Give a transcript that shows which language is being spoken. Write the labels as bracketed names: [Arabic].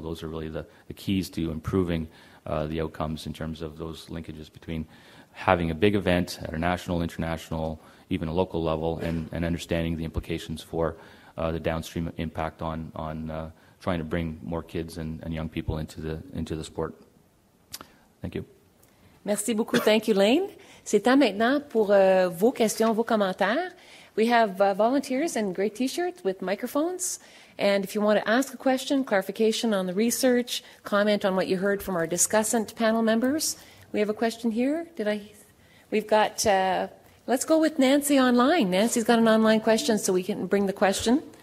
[English] Those are really the keys to improving the outcomes in terms of those linkages between having a big event at a national, international, even a local level, and understanding the implications for the downstream impact on trying to bring more kids and young people into the sport. Thank you. [French] Merci beaucoup. [English] Thank you, Lane. [French] C'est temps maintenant pour vos questions, vos commentaires. [English] We have volunteers in gray T-shirts with microphones. And if you want to ask a question, clarification on the research, comment on what you heard from our discussant panel members, we have a question here. Let's go with Nancy online. Nancy's got an online question, so we can bring the question.